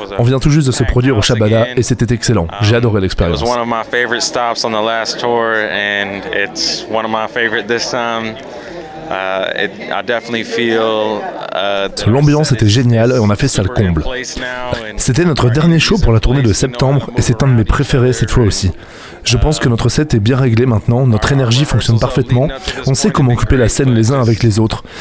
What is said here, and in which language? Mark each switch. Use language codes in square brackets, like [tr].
[fr] On vient tout juste de se produire au Shabada et c'était excellent. J'ai adoré l'expérience. [en] It was one of my favorite stops on the last tour, and it's one of my favorite this time. [fr] L'ambiance était géniale et on a fait ça le comble. C'était notre dernier show pour la tournée de septembre et c'est un de mes préférés cette fois aussi. Je pense que notre set est bien réglé maintenant, notre énergie fonctionne parfaitement, on sait comment occuper la scène les uns avec les autres.